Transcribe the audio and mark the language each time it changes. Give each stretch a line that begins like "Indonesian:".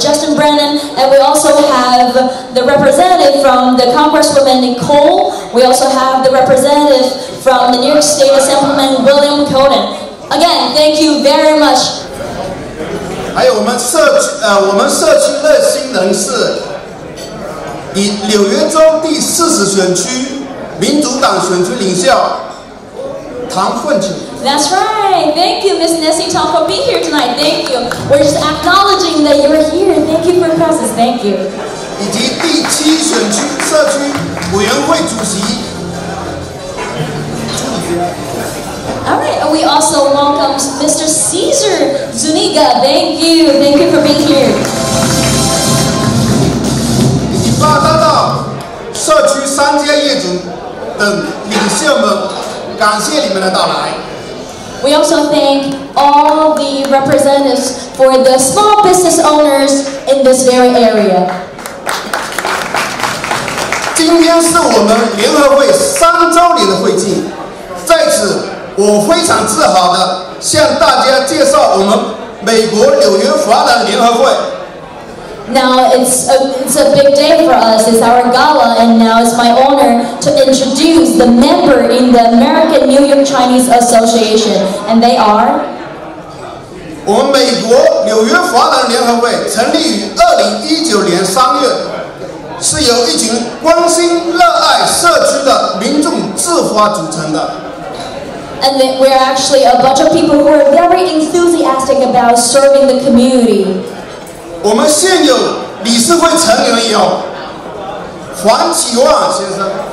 English: Justin Brennan, and we also have the representative from the Congresswoman Nicole. We also have the representative from the New York State Assemblyman William Coden. Again, thank you very much.
Chinese: 还有我们社区热心人士，以纽约州第四十选区民主党选区领袖唐凤琴。
English: That's right. Thank you, Ms. Nessie Tom, for being here tonight. Thank you. We're just acknowledging that you're here. Thank you for your presence. Thank you.
Chinese: 以及第七选区社区委员会主席。
English: All right, we also welcome Mr. Caesar Zuniga. Thank you for being here.
Chinese: 以及八大道社区三街业主等领袖们，感谢你们的到来。
English: We also thank all the representatives for the small business owners in this very area.
Chinese: 今天是我们联合会三周年的会庆，在此我非常自豪地向大家介绍我们美国纽约华人联合会。
English: Now it's a big day for us. It's our gala, and now it's my honor to introduce the member in the American New York Chinese Association, and they are.
Chinese: 我们美国纽约华人联合会成立于2019年3月，是由一群关心热爱社区的民众自发组成的。
English: And we're actually a bunch of people who are very enthusiastic about serving the community.
Chinese: 我们现有理事会成员有黄启旺先生